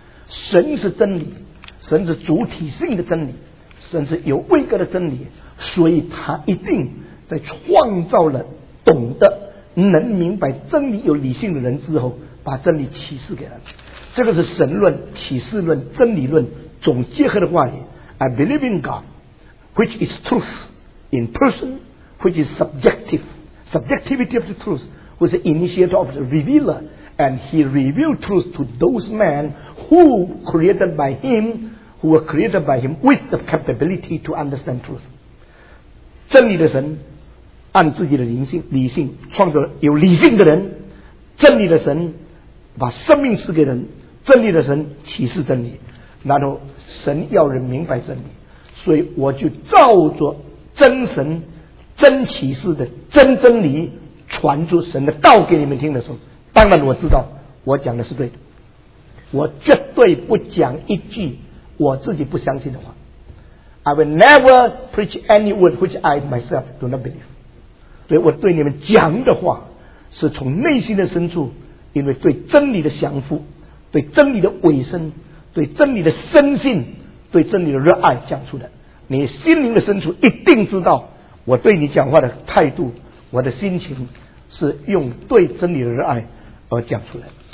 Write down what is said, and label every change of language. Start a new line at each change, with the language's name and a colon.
Chinese: 神是真理，神是主体性的真理，神是有位格的真理。所以他一定在创造了懂得能明白真理有理性的人之后，把真理启示给他。这个是神论、启示论、真理论总结合的话语。
English: I believe in God which is truth in person which is subjective subjectivity of the truth who is the initiator of the revealer and he revealed truth to those men who created by him who were created by him with the capability to understand truth。
Chinese: 真理的神按自己的灵性理性创造有理性的人，真理的神把生命赐给人，真理的神启示真理，然后神要人明白真理，所以我就照着真神真启示的真真理传出神的道给你们听的时候，当然我知道我讲的是对的，我绝对不讲一句我自己不相信的话。
English: I will never preach any word which I myself do not believe。
Chinese: 所以我对你们讲的话是从内心的深处，因为对真理的降服，对真理的委身，对真理的深信，对真理的热爱讲出的。你心灵的深处一定知道我对你讲话的态度，我的心情是用对真理的热爱而讲出来。